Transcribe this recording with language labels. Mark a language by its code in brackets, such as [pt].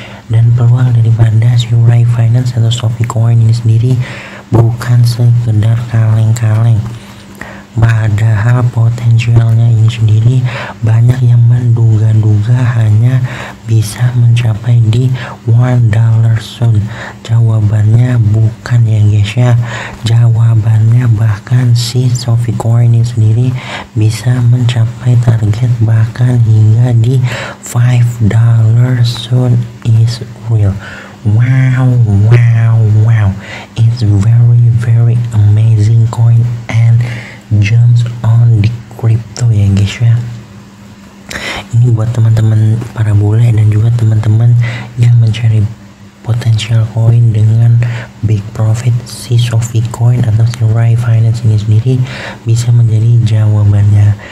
[id] Dan peluang daripada si Ray Finance atau Sophie Coin ini sendiri bukan sekedar kaleng-kaleng, padahal potensialnya ini sendiri banyak yang menduga-duga hanya bisa mencapai di $1 soon. Jawabannya bukan ya guys ya, jawabannya bahkan si Sophie Coin ini sendiri bisa mencapai target bahkan hingga di $5 [en] soon is real. Wow, wow, wow, it's very very amazing coin and jumps on the crypto ya guys ya. [id] Ini buat teman-teman para bule dan juga teman-teman yang mencari potensial coin dengan big profit, si Sophie Coin atau si Ray Finance ini sendiri bisa menjadi jawabannya.